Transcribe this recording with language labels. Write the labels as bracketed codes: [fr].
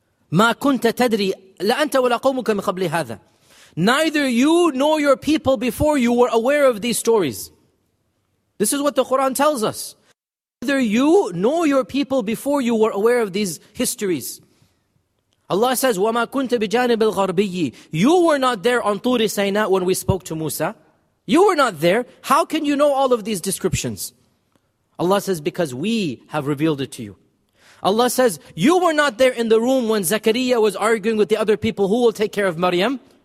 [ar] مَا كُنْتَ تَدْرِي لَأَنْتَ وَلَا قَوْمُكَ مِنْ قَبْلِ هَذَا. [en] Neither you nor your people before you were aware of these stories. This is what the Quran tells us. Neither you nor your people before you were aware of these histories. Allah says, [ar] وَمَا كُنْتَ بِجَانِبِ الْغَرْبِيِّ. [en] You were not there on Turi Sinai when we spoke to Musa. You were not there. How can you know all of these descriptions? Allah says, because we have revealed it to you. Allah says, you were not there in the room when Zakariya was arguing with the other people who will take care of Maryam.